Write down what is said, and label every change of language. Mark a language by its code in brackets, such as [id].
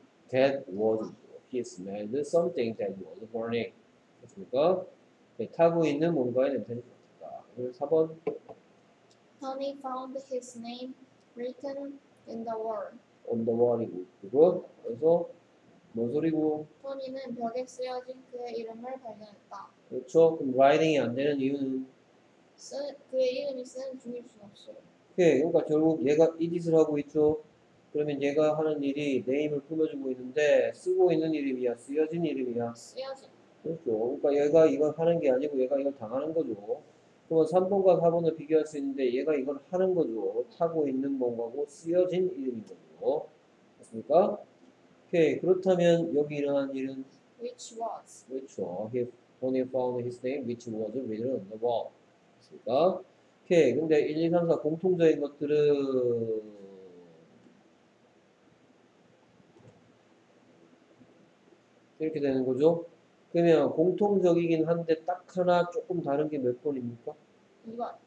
[en] That was, he smelled something that was burning. [ko] 그렇습니까? 네, 타고 있는 뭔가의 냄새를 맡았다. 4번 [en] Tony found his name written in the wall. on the wall [ko] 이고 그거 그래서 뭔 소리고 Tony는 벽에 쓰여진 그의 이름을 발견했다. 그렇죠 그럼 writing이 안 되는 이유는 그의 이름이 쓰는 중일 순 없어요. 오케이 그러니까 결국 얘가 이 짓을 하고 있죠 그러면 얘가 하는 일이 네임을 꾸며주고 있는데 쓰고 있는 이름이야 쓰여진 이름이야 쓰여진. 그렇죠. 그러니까 얘가 이걸 하는 게 아니고 얘가 이걸 당하는 거죠. 그러면 3번과 4번을 비교할 수 있는데 얘가 이걸 하는 거죠. 타고 있는 뭔가고 쓰여진 이름인 거죠. 맞습니까? 오케이. 그렇다면 여기 일어난 일은 [en] Which was? which wall? He only found his name, which was written on the wall. [ko] 맞습니까? 오케이. 근데 1, 2, 3, 4 공통적인 것들은 이렇게 되는 거죠. 그러면 공통적이긴 한데 딱 하나 조금 다른 게몇 번입니까? 2번.